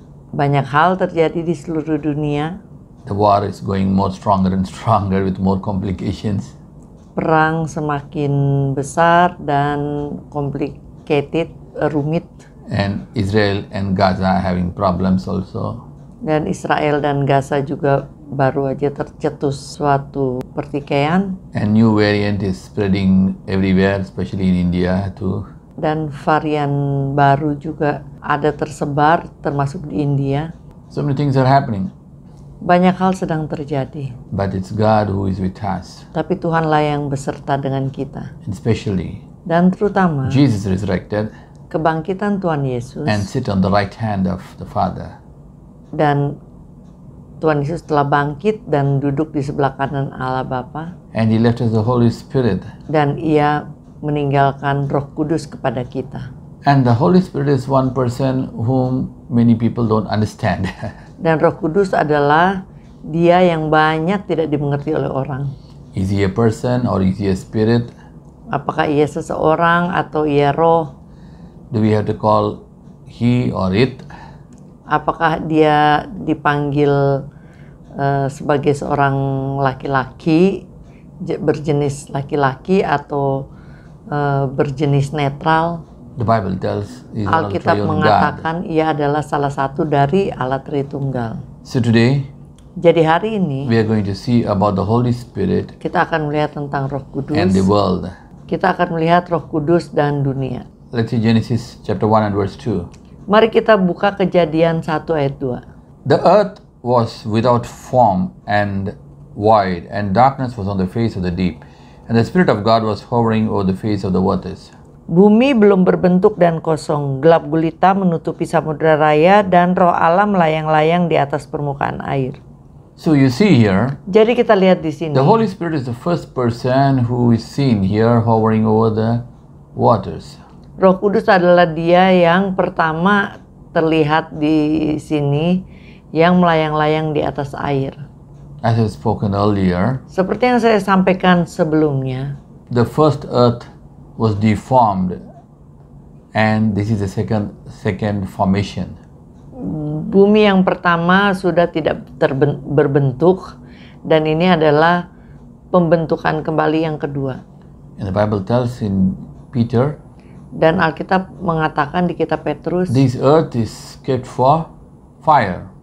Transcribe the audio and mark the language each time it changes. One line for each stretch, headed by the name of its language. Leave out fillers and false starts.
Indonesian: Banyak hal terjadi di seluruh dunia.
English: The war is going more stronger and stronger with more complications.
Indonesian: Perang semakin besar dan complicated, rumit.
English: And Israel and Gaza having problems also.
Indonesian: Dan Israel dan Gaza juga baru aja tercetus suatu pertikaian.
English: And new variant is spreading everywhere, especially in India too.
Indonesian: Dan varian baru juga ada tersebar, termasuk di India.
English: So many things are happening.
Indonesian: Banyak hal sedang terjadi.
English: But it's God who is with us.
Indonesian: Tapi Tuhanlah yang beserta dengan kita.
English: And especially.
Indonesian: Dan terutama.
English: Jesus resurrected.
Indonesian: Kebangkitan Tuhan Yesus.
English: And sit on the right hand of the Father.
Indonesian: Dan Tuhan Yesus telah bangkit dan duduk di sebelah kanan Allah Bapa.
English: And He left us the Holy Spirit.
Indonesian: Dan Ia meninggalkan Roh Kudus kepada kita.
English: And the Holy Spirit is one person whom many people don't understand.
Indonesian: Dan Roh Kudus adalah Dia yang banyak tidak dimengerti oleh orang.
English: Is He a person or is He a spirit?
Indonesian: Apakah Ia seseorang atau Ia Roh?
English: Do we have to call He or it?
Indonesian: Apakah Dia dipanggil sebagai seorang laki-laki, berjenis laki-laki atau berjenis netral?
English: The Bible tells
Indonesian: Alkitab mengatakan Ia adalah salah satu dari Allah Tritunggal.
English: So today,
Indonesian: jadi hari ini,
English: we are going to see about the Holy Spirit.
Indonesian: Kita akan melihat tentang Roh Kudus
English: and the world.
Indonesian: Kita akan melihat Roh Kudus dan dunia.
English: Let's see Genesis chapter 1 and verse 2.
Indonesian: Mari kita buka Kejadian 1 ayat 2.
English: The earth was without form and void, and darkness was on the face of the deep. And the Spirit of God was hovering over the face of the waters.
Indonesian: Bumi belum berbentuk dan kosong. Gelap gulita menutupi samudera raya dan Roh Allah melayang-layang di atas permukaan air.
English: So you see here.
Indonesian: Jadi kita lihat di sini.
English: The Holy Spirit is the first person who is seen here hovering over the waters.
Indonesian: Roh Kudus adalah Dia yang pertama terlihat di sini yang melayang-layang di atas air.
English: As I spoken earlier.
Indonesian: Seperti yang saya sampaikan sebelumnya.
English: The first earth was deformed, and this is the second formation.
Indonesian: Bumi yang pertama sudah tidak berbentuk, dan ini adalah pembentukan kembali yang kedua.
English: And the Bible tells in Peter.
Indonesian: Dan Alkitab mengatakan di kitab Petrus.
English: This earth is kept for fire.